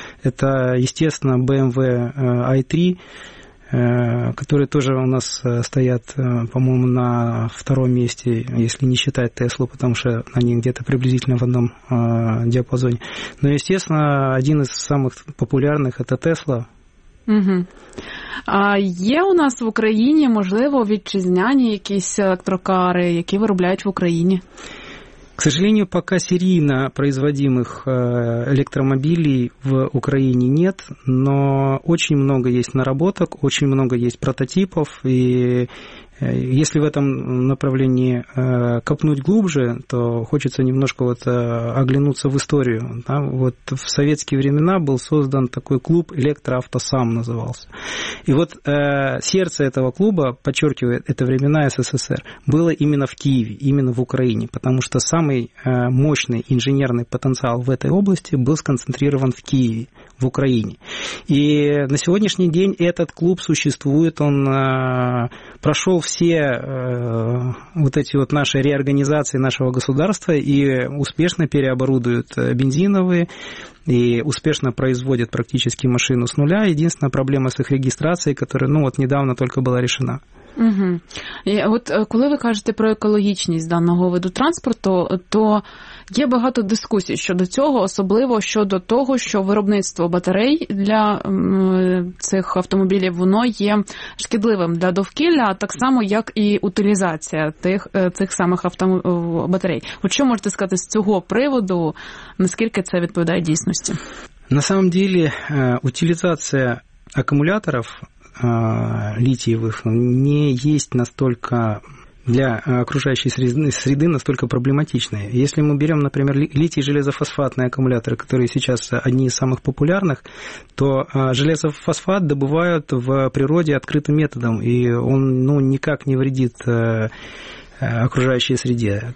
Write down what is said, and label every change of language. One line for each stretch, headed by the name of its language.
Russian: Это, естественно, BMW i3, которые тоже у нас стоят, по-моему, на втором месте, если не считать Теслу, потому что они где-то приблизительно в одном диапазоне. Но, естественно, один из самых популярных – это Тесла. Угу.
Ukrainian: А є у нас в Україні, можливо, вітчизняні якісь електрокари, які виробляють в Україні?
Russian: К сожалению, пока серийно производимых электромобилей в Украине нет, но очень много есть наработок, очень много есть прототипов, и если в этом направлении копнуть глубже, то хочется немножко вот оглянуться в историю. Да? Вот в советские времена был создан такой клуб «Электроавтосам» назывался. И вот сердце этого клуба, подчеркиваю, это времена СССР, было именно в Киеве, именно в Украине, потому что самый мощный инженерный потенциал в этой области был сконцентрирован в Киеве, в Украине. И на сегодняшний день этот клуб существует, он прошел все вот эти вот наши реорганизации нашего государства и успешно переоборудуют бензиновые и успешно производят практически машину с нуля. Единственная проблема с их регистрацией, которая, ну вот, недавно только была решена. Угу.
Ukrainian: І от коли ви кажете про екологічність даного виду транспорту, то є багато дискусій щодо цього, особливо щодо того, що виробництво батарей для цих автомобілів, воно є шкідливим для довкілля, так само, як і утилізація цих самих батарей. От що можете сказати з цього приводу, наскільки це відповідає дійсності?
Russian: На самом деле, утилізація акумуляторів литиевых не есть настолько для окружающей среды настолько проблематичные. Если мы берем, например, литий-железофосфатные аккумуляторы, которые сейчас одни из самых популярных, то железофосфат добывают в природе открытым методом, и он, ну, никак не вредит окружающей среде.